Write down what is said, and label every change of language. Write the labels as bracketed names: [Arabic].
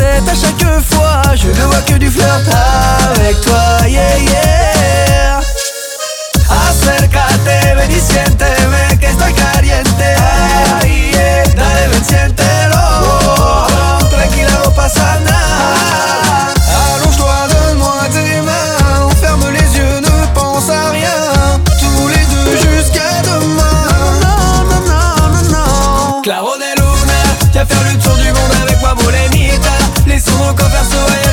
[French] À chaque fois, je ne vois que du flirt avec toi, yeah, yeah. [Spanish] Acércate, ven y siénteme, que estoy caliente, ay, yeah. Dale, ven, siéntelo, tranquila, no pasa nada. [French] Allonge-toi, donne-moi tes mains. Ferme les yeux, ne pense à rien. Tous les deux jusqu'à demain. Non, non, non, non, non, non. Claro de Luna, viens faire le tour du monde avec moi, Bolenita. Laissons nos corps faire ce